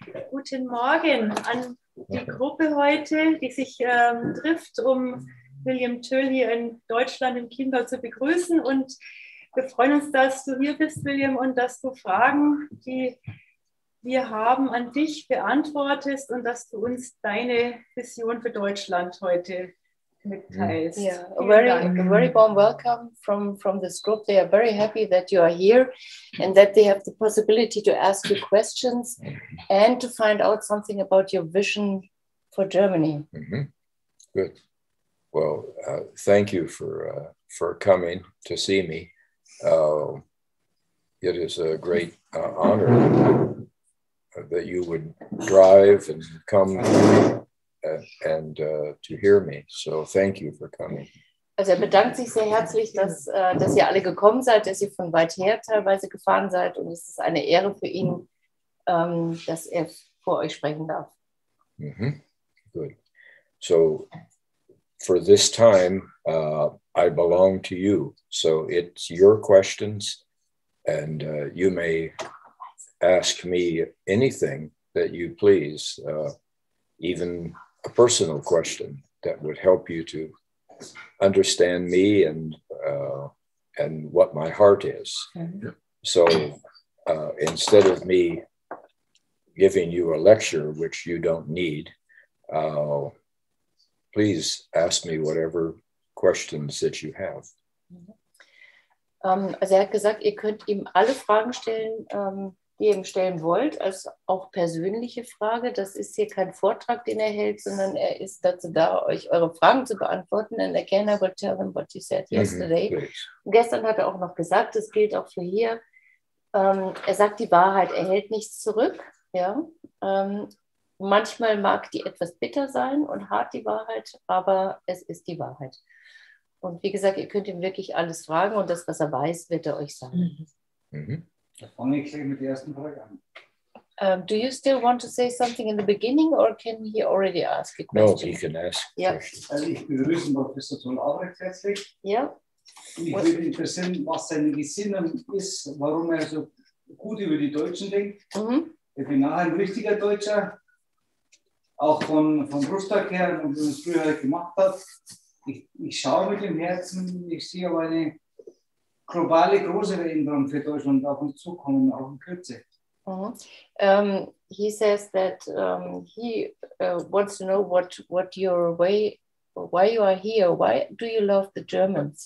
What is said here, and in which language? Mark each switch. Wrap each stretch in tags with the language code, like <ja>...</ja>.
<de>Guten Morgen an die Gruppe heute, die sich trifft, um William Thöll hier in Deutschland im Chiemgau zu begrüßen. Und wir freuen uns, dass du hier bist, William, und dass du Fragen, die wir haben, an dich beantwortest und dass du uns deine Vision für Deutschland heute mitteilst.</de> <en>Yeah, a very warm welcome from this group. They are very happy that you are here and that they have the possibility to ask you questions and to find out something about your vision for Germany. Mm-hmm. Good. Well, thank you for coming to see me. It is a great honor that you would drive and come to hear me. So thank you for coming.</en> <de>Also bedankt sich sehr herzlich, dass ihr alle gekommen seid, dass ihr von weit her teilweise gefahren seid, und es ist eine Ehre für ihn, dass er vor euch sprechen darf.</de> <en>Mm-hmm. Good. So for this time, I belong to you. So it's your questions, and you may ask me anything that you please, even a personal question that would help you to understand me and what my heart is. Mm-hmm. So instead of me giving you a lecture, which you don't need, please ask me whatever questions that you have.</en> <de>Also er hat gesagt, ihr könnt ihm alle Fragen stellen, die ihr ihm stellen wollt, als auch persönliche Frage. Das ist hier kein Vortrag, den er hält, sondern er ist dazu da, euch eure Fragen zu beantworten.</de> <en>And again, I will tell him what you said yesterday.</en> <de>Mm-hmm. Und gestern hat er auch noch gesagt, das gilt auch für hier. Er sagt die Wahrheit, er hält nichts zurück. Ja. Manchmal mag die etwas bitter sein und hart, die Wahrheit, aber es ist die Wahrheit. Und wie gesagt, ihr könnt ihm wirklich alles fragen, und das, was er weiß, wird er euch sagen. Mm-hmm. Da fange ich gleich mit der ersten Frage an.</de> <en>Do you still want to say something in the beginning, or can he already ask a question? No, he can ask. Yeah.</en> <de>Also ich begrüße Professor Thöll Albrecht herzlich. Ja.</de> <en>Yeah.</en> <de>Mich würde interessieren, was seine Gesinnung ist, warum er so gut über die Deutschen denkt. Mm-hmm. Ich bin nachher ein richtiger Deutscher, auch von Rostock her, und wie er es früher gemacht hat. Ich schaue mit dem Herzen, ich sehe aber eine globale, große Veränderung für Deutschland auf uns zukommen, auch in Kürze. Uh-huh.</de> <en>He says that he wants to know what your way, why you are here, why do you love the Germans?</en>